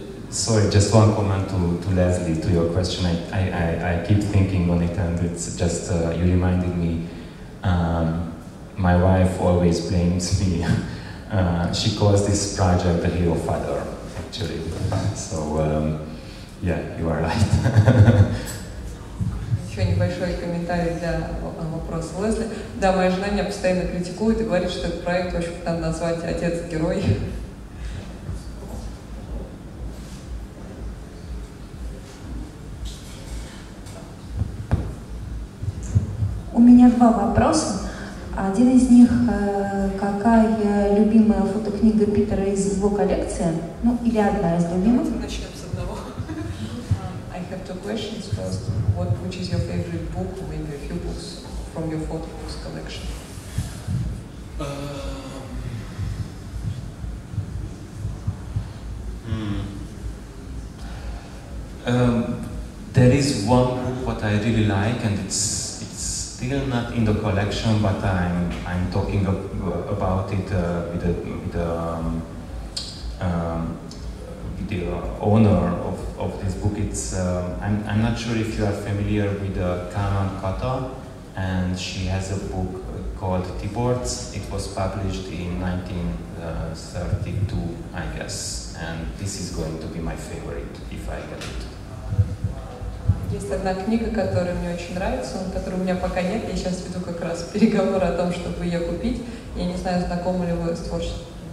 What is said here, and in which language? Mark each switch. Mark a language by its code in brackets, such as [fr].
[en] Sorry, just one comment to Leslie, to your question. I keep thinking on it, and it's just you reminded me. My wife always blames me. She calls this project the Hero Father, actually. So, you are right. [ru] Еще небольшой комментарий для вопроса Лесли. Да, моя жена меня постоянно критикует и говорит, что этот проект очень надо назвать «Отец-герой». У меня два вопроса. Один из них, какая любимая фотокнига Питера из его коллекции? Ну, или одна из любимых? Давайте начнем с одного. [en] I have two questions first. What, which is your favorite book, maybe a few books from your photo books collection? There is one book what I really like, and it's still not in the collection, but I'm talking about it with the owner of this book. It's I'm not sure if you are familiar with Kanan Kata, and she has a book called T-Boards. It was published in 1932, I guess, and this is going to be my favorite if I get it. [ru] Есть одна книга, которая мне очень нравится, но которой у меня пока нет. Я сейчас веду как раз переговоры о том, чтобы ее купить. Я не знаю, знакомы ли вы с творчеством.